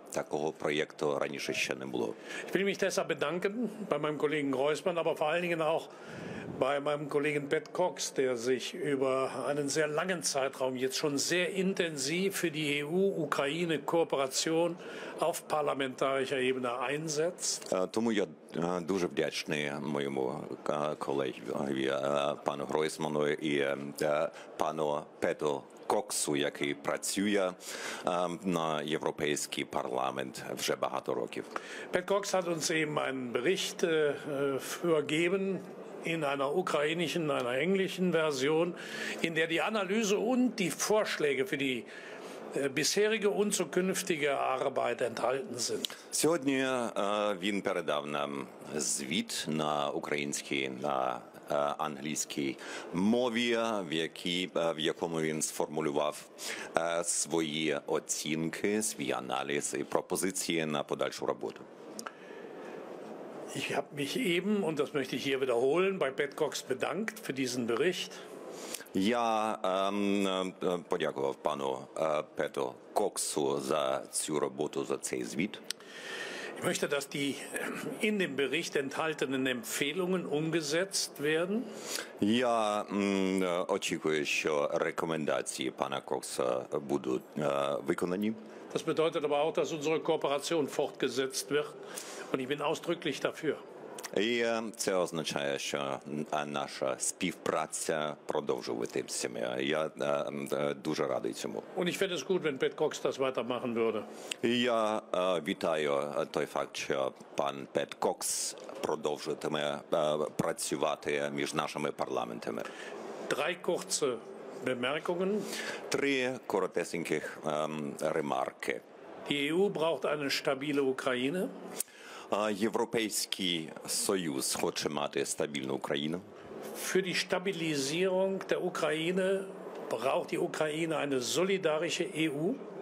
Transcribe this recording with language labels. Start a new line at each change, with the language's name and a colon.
Ukrainian: Такого проєкту раніше ще не було.
German: Ich will mich deshalb bedanken bei meinem Kollegen Groysman, aber vor allen Dingen auch bei meinem Kollegen Pat Cox, der sich über einen sehr langen Zeitraum jetzt schon sehr intensiv für die EU-Ukraine-Kooperation auf parlamentarischer Ebene einsetzt.
Ukrainian: Тому я дуже вдячний моєму колегі, пану Groysmanu і пану Пету Коксу, який працює на Європейський парламент вже багато років.
German: Пет Кокс hat uns eben einen Bericht übergeben in einer ukrainischen, einer englischen Version, in der die Analyse und die Vorschläge für die bisherige und zukünftige Arbeit enthalten sind.
Ukrainian: Сьогодні він передав нам звіт на українській, на англійській мові, в якому він сформулював свої оцінки, свій аналіз і пропозиції на подальшу роботу.
German: Ich habe mich eben, und das möchte ich hier wiederholen, bei Pat Cox bedankt für diesen Bericht.
Ukrainian: Я подякував пану Пету Коксу за цю роботу, за цей звіт.
German: Ich möchte, dass die in dem Bericht enthaltenen Empfehlungen umgesetzt werden.
Ukrainian: Я очікую, що рекомендації пана Кокса будуть виконані.
German: Das bedeutet aber auch, dass unsere Kooperation fortgesetzt wird. Und ich bin ausdrücklich dafür.
Ukrainian: І це означає, що наша співпраця продовжуватиметься. Я дуже радий цьому.
German: Und ich finde es gut, wenn Pat Cox das weitermachen würde.
Ukrainian: Я вітаю той факт, що пан Пет Кокс продовжуватиме працювати між нашими парламентами.
German: Drei kurze Bemerkungen.
Ukrainian: Три коротесеньких ремарки.
German: Die EU braucht eine stabile Ukraine.
Ukrainian: Європейський Союз хоче мати стабільну Україну.
German: Für die Stabilisierung der Ukraine braucht die Ukraine eine solidarische EU.